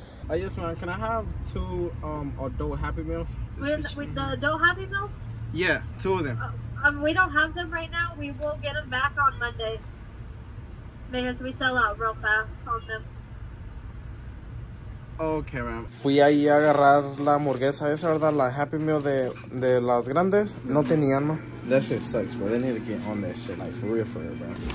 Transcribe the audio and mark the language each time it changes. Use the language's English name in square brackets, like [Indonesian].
[English] I just want, can I have two adult Happy Meals? With the adult Happy Meals? Yeah, two of them. We don't have them right now. We will get them back on Monday. Because we sell out real fast on them. Okay, man. [Spanish] Fui ahí a agarrar la hamburguesa esa, ¿verdad? La Happy Meal de las grandes. No tenían, ¿no? [English] That shit sucks, bro. They need to get on that shit, like, for real, bro.